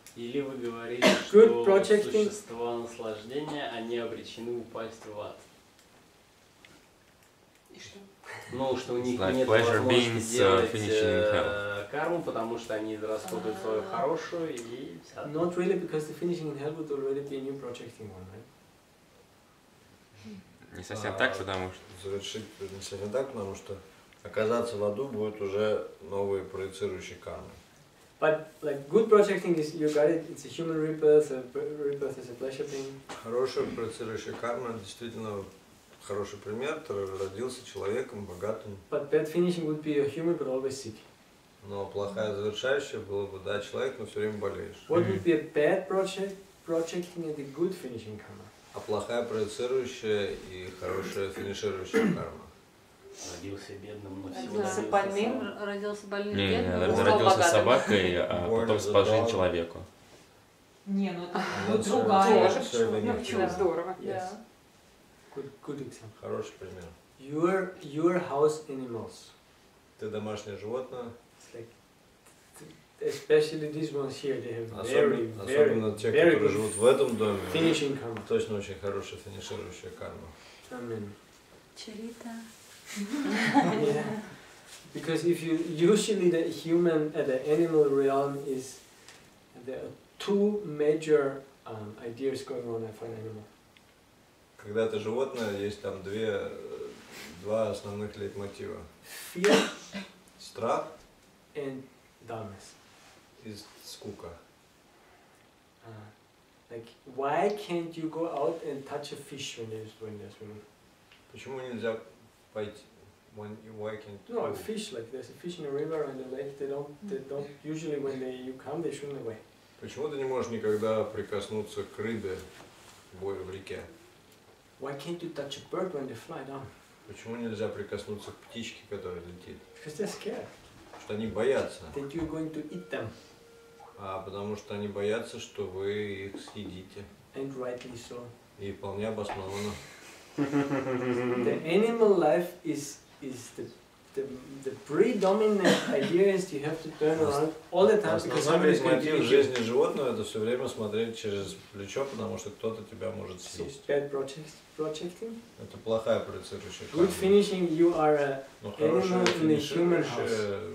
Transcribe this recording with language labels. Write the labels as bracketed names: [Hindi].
[Russian] Или вы говорите, что существа наслаждения, они обречены упасть в ад. И что? Ну, что у них нет возможности делать карму, потому что они расходуют свою хорошую и всё. [English] Not really, because the finishing in hell would already be a new projecting one, right? [Russian] Не совсем так, потому что... Завершить не совсем так, потому что оказаться в аду будет уже новые проецирующие кармы. [English] But, like, good projecting is, you got it, it's a human rebirth, a rebirth is a pleasure thing. [Russian] Хорошая проецирующая карма действительно... Хороший пример, ты родился человеком, богатым. [English] But bad finishing would be a human, but always sick. [Russian] Но плохая завершающая была бы, да, человек, но все время болеешь. [English] What would be a bad project and a good finishing karma? [Russian] А плохая проецирующая и хорошая финиширующая карма. Родился бедным, но всего родился больным. Родился больным, не, бедным. Не, родился богатым. Собакой, а потом спожил человеку. Не, ну это другая. Ну почему? Здорово. [English] Yes. Good example. [Russian] Хороший пример. [English] Your house animals. [Russian] Ты домашнее животное. [English] It's like, especially these ones here, they have very, very [Russian] которые живут в этом доме, [English] finishing karma. [Russian] Точно очень хорошая финиширующая карма. [English] Amen. [Russian] Чарита. [English] Yeah, because if you usually the human and the animal realm is there are two major ideas going on for an animal. [Russian] Когда ты животное, есть там два основных лейтмотива. [English] Fear. [Russian] Страх. [English] And dullness. [Russian] И скука. [English] Like why can't you go out and touch a fish when they're swimming? [Russian] Почему нельзя пойти? [English] When you wake in no, a fish, like there's a fish in a river and a lake, they don't usually when you come they swim away. [Russian] Почему ты не можешь никогда прикоснуться к рыбе в реке? [English] Why can't you touch a bird when they fly down? [Russian] Почему нельзя прикоснуться к птичке, которая летит? [English] Because they're scared. [Russian] Что они боятся. [English] That you're going to eat them. [Russian] А потому что они боятся, что вы их съедите. [English] And rightly so. [Russian] И вполне обоснованно. [English] The animal life is the predominant idea is you have to turn around all the time because somebody is going to eat you. [Russian] Жизнь животного это все время смотреть через плечо, потому что кто-то тебя может съесть. [English] Bad projecting. [Russian] Это плохая проецирующая карма. [English] Good finishing, you are an animal in a human house.